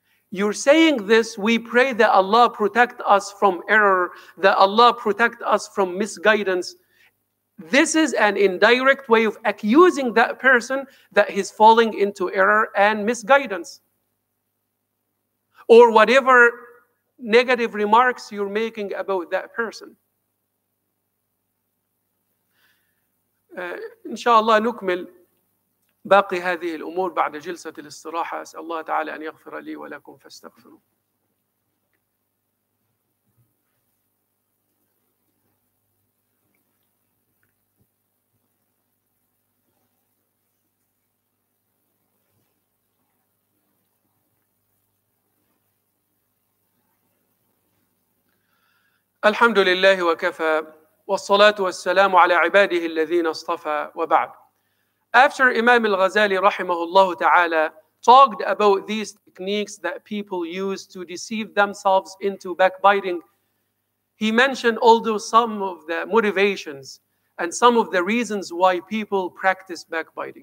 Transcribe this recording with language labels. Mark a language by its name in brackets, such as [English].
[English] You're saying this, "We pray that Allah protect us from error, that Allah protect us from misguidance." This is an indirect way of accusing that person that he's falling into error and misguidance. Or whatever negative remarks you're making about that person. [Arabic] Inshallah, nukmil باقي هذه الأمور بعد جلسة الاستراحة. أسأل الله تعالى أن يغفر لي ولكم فاستغفروا. الحمد لله وكفى والصلاة والسلام على عباده الذين اصطفى وبعد. [English] After Imam al-Ghazali rahimahullah ta'ala talked about these techniques that people use to deceive themselves into backbiting, he mentioned also some of the motivations and some of the reasons why people practice backbiting.